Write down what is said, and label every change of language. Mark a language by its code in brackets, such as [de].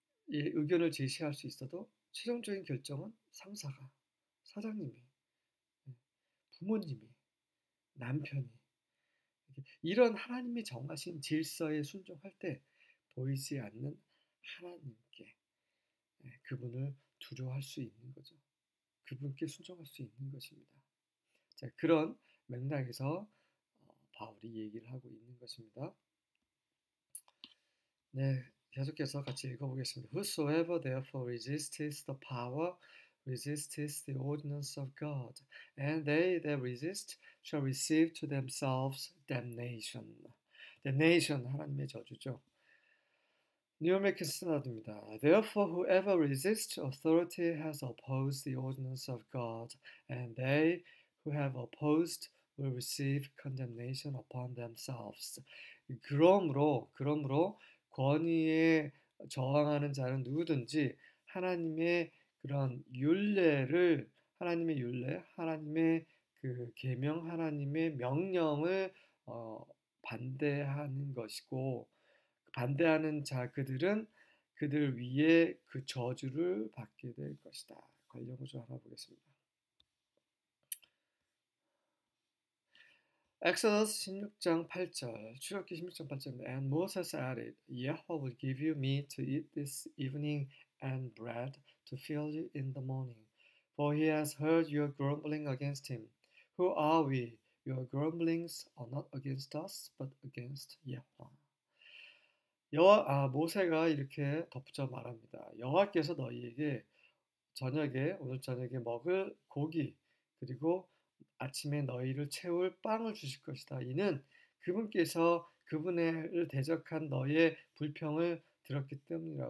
[ko] 예, 의견을 제시할 수 있어도 최종적인 결정은 상사가, 사장님이, 부모님이, 남편이 이런 하나님이 정하신 질서에 순종할 때 보이지 않는 하나님께 그분을 두려워할 수 있는 거죠. 그분께 순종할 수 있는 것입니다. 자, 그런 맥락에서 바울이 얘기를 하고 있는 것입니다. 네, 계속해서 같이 읽어보겠습니다. [en] Whosoever therefore resisteth the power, resisteth the ordinance of God, and they that resist shall receive to themselves damnation. [ko] Damnation, 하나님의 저주죠. New American Standard입니다. [en] Therefore, whoever resists authority has opposed the ordinance of God, and they who have opposed will receive condemnation upon themselves. [ko] 그러므로 권위에 저항하는 자는 누구든지 하나님의 그런 율례를 하나님의 율례, 하나님의 그 계명, 하나님의 명령을 반대하는 것이고 반대하는 자 그들은 그들 위에 그 저주를 받게 될 것이다. 관련 구절 하나 보겠습니다. Exodus 16장 8절, 출애굽기 16장 8절입니다. [en] And Moses added, Yahweh will give you meat to eat this evening and bread to fill you in the morning, for he has heard your grumbling against him. Who are we? Your grumblings are not against us, but against Yahweh. [ko] 모세가 이렇게 덧붙여 말합니다. 여호와께서 너희에게 저녁에 오늘 저녁에 먹을 고기 그리고 아침에 너희를 채울 빵을 주실 것이다. 이는 그분께서 그분을 대적한 너희의 불평을 들었기 때문이라.